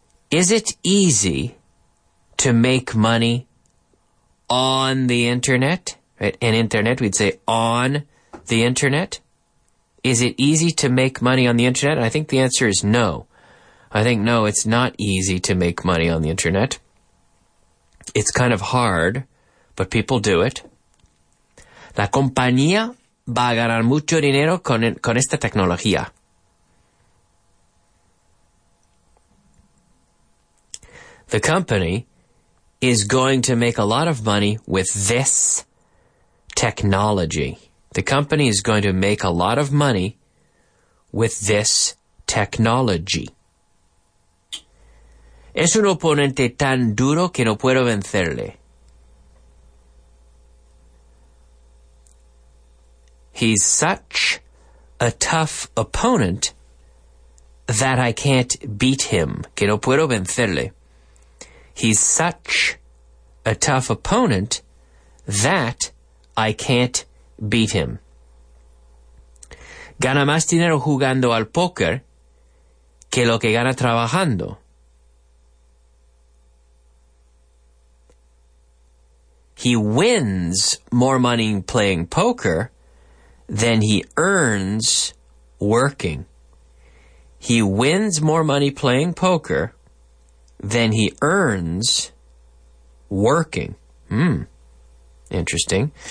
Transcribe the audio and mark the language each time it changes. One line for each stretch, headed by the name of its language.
English: Is it easy to make money on the Internet? Right? In Internet, we'd say on the Internet. Is it easy to make money on the Internet? I think the answer is no. I think no, it's not easy to make money on the Internet. It's kind of hard, but people do it.
Spanish: La compañía va a ganar mucho dinero con esta tecnología.
English: The company is going to make a lot of money with this technology. The company is going to make a lot of money with this technology.
Spanish: Es un oponente tan duro que no puedo vencerle.
English: He's such a tough opponent that I can't beat him.
Spanish: Que no puedo vencerle.
English: He's such a tough opponent that I can't beat him.
Spanish: Gana más dinero jugando al póker que lo que gana trabajando.
English: He wins more money playing poker than he earns working. He wins more money playing poker than he earns working. Interesting.